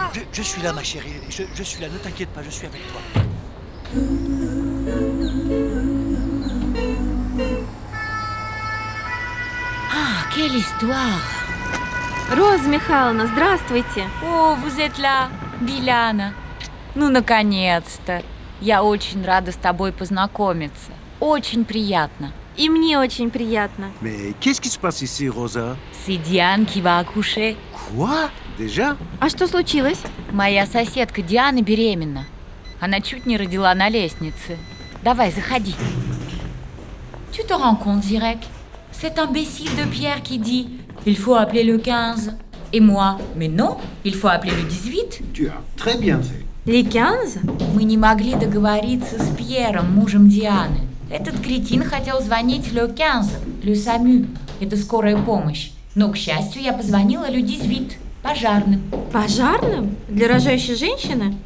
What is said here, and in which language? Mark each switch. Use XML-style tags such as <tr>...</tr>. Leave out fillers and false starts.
<fr>Je suis là, ma chérie, je suis là, ne t'inquiète pas, je suis avec toi. Ah, quelle histoire!</fr> <ru>Rose Mikhailovna, здравствуйте!</ru> <fr>Oh, vous êtes là, Diana.</fr> <ru>Ну, наконец-то! Я очень рада с тобой познакомиться. Очень приятно. И мне очень приятно.</ru> <fr>Mais qu'est-ce qui se passe ici, Rosa? C'est Diane qui va accoucher. Quoi? Déjà?</fr> <ru>А что случилось? Моя соседка Диана беременна. Она чуть не родила на лестнице. Давай, заходи.</ru> <fr>Tu te rends compte, Zirek? Cet imbécile de Pierre qui dit « Il faut appeler le 15 » et moi « Mais non, il faut appeler le 18 » Tu as très bien fait. Les 15?</fr> <ru>Мы не могли договориться с Пьером, мужем Дианы. Этот кретин хотел звонить le 15, le SAMU. Это скорая помощь. Но, к счастью, я позвонила le 18, пожарным. Пожарным? Для рожающей женщины?</ru>